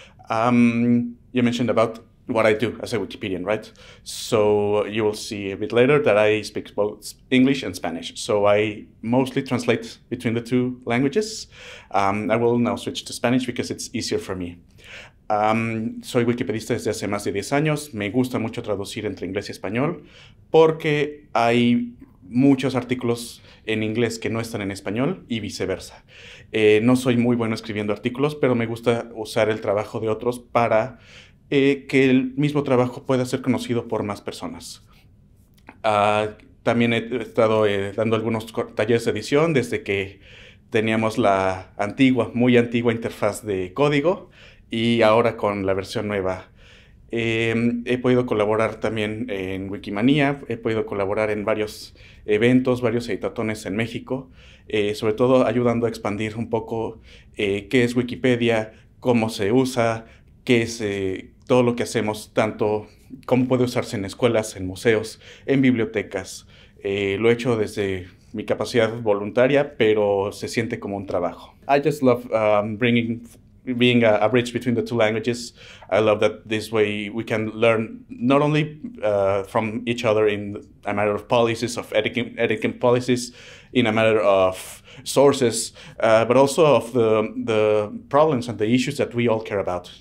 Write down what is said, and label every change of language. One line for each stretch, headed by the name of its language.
English: You mentioned about what I do as a Wikipedian, right? So you will see a bit later that I speak both English and Spanish. So I mostly translate between the two languages. I will now switch to Spanish because it's easier for me.
Spanish: Soy wikipedista desde hace más de 10 años. Me gusta mucho traducir entre inglés y español porque hay muchos artículos en inglés que no están en español y viceversa. No soy muy bueno escribiendo artículos, pero me gusta usar el trabajo de otros para que el mismo trabajo pueda ser conocido por más personas. También he estado dando algunos talleres de edición desde que teníamos la antigua, muy antigua interfaz de código y ahora con la versión nueva. He podido colaborar también en Wikimanía, he podido colaborar en varios eventos, varios editatones en México, sobre todo ayudando a expandir un poco qué es Wikipedia, cómo se usa, qué es todo lo que hacemos, tanto cómo puede usarse en escuelas, en museos, en bibliotecas. Lo he hecho desde mi capacidad voluntaria, pero se siente como un trabajo.
English: I just love being a bridge between the two languages. I love that this way we can learn not only from each other in a matter of policies, of etiquette policies, in a matter of sources, but also of the problems and the issues that we all care about.